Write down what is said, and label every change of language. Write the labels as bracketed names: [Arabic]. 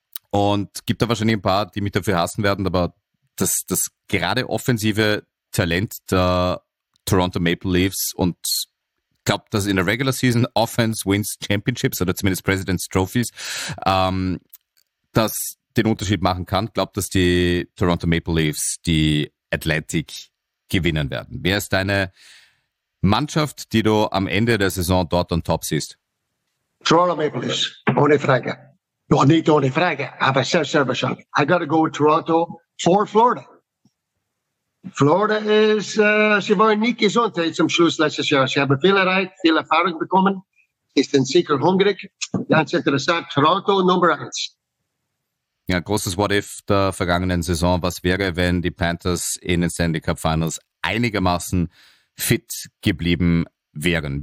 [German] Und gibt da wahrscheinlich ein paar, die mich dafür hassen werden. Aber das gerade offensive Talent der Toronto Maple Leafs und ich glaube, dass in der Regular Season [English] Offense wins Championships [German] oder zumindest President's Trophies, das den Unterschied machen kann. Ich glaube, dass die Toronto Maple Leafs die Atlantic gewinnen werden. Wer ist deine Mannschaft, die du am Ende der Saison dort on top siehst? Toronto Maple Leafs, ohne Frage. Noch nicht ohne Frage, aber sehr, sehr wahrscheinlich. [English] I gotta go with Toronto for Florida. [German] Florida ist, sie waren nicht gesund zum Schluss letztes Jahr. Sie haben viel erreicht, viel Erfahrung bekommen. Ist ein sicher hungrig. Ganz interessant, Toronto Nummer 1. Ja, großes What-If der vergangenen Saison. Was wäre, wenn die Panthers in den Stanley Cup Finals einigermaßen fit geblieben wären?